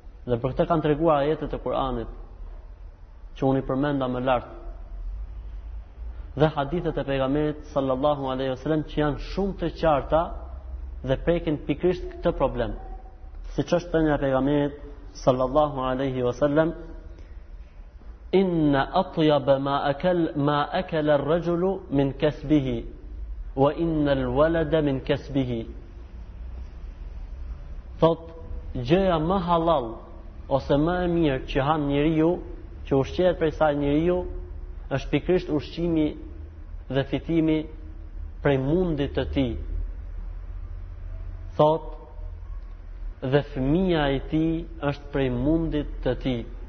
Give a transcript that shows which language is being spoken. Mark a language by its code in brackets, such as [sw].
[sq] Dhe për këtë kanë treguar ajetet e Kur'anit që unë i përmenda më lart, dhe hadithet e pejgamberit sallallahu alaihi wasallam që janë shumë të qarta dhe prekin pikrisht këtë problem. Siç është thënë nga pejgamberi sallallahu alaihi wasallam, [ar] إن أطيب ما أكل الرجل من كسبه وإن الولد من كسبه. [sq] Thot, gjëja më halal ose më e mirë që han njeriu, që ushqehet prej saj njeriu, është pikrisht ushqimi dhe fitimi prej mundit të tij. Thot, dhe fëmia e tij është prej mundit të tij.